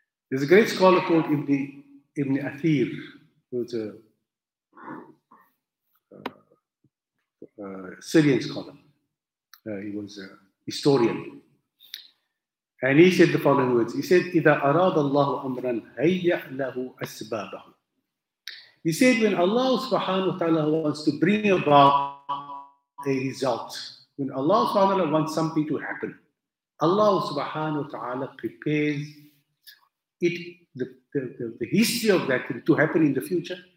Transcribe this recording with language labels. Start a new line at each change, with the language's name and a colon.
English: There's a great scholar called Ibn Athir, who's a Syrian scholar. He was a historian. And he said the following words. He said,
Arabic: إِذَا أَرَادَ اللَّهُ أَمْرًا هَيَّعْ لَهُ أَسْبَابَهُ.
English: He said, when Allah subhanahu wa ta'ala wants to bring about a result, when Allah subhanahu wa ta'ala wants something to happen, Allah subhanahu wa ta'ala prepares it, the history of that to happen in the future.